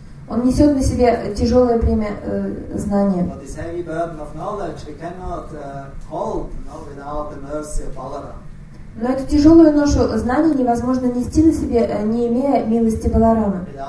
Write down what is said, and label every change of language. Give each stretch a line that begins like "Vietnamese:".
Russian: Он несет на себе тяжелое бремя знания.
English: But this heavy burden of knowledge we cannot hold, you know, without the mercy of Balaram.
Russian: Но эту тяжелую ношу знаний невозможно нести на себе, не имея милости Баларамы.